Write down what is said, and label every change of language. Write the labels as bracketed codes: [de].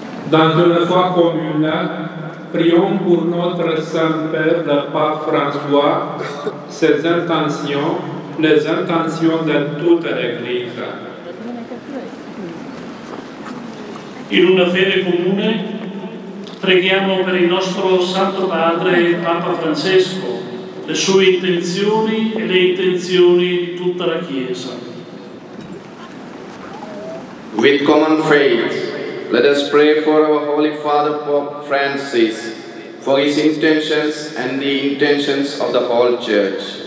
[fr] Dans la foi commune, prions pour notre Saint-Père, le Pape François, ses intentions, les intentions de toute l'Église. [it] In una fede comune, preghiamo per il nostro Santo Padre, Papa Francesco, le sue intenzioni e le intenzioni di tutta la Chiesa. [en] With common faith, let us pray for our Holy Father Pope Francis, for his intentions and the intentions of the whole Church.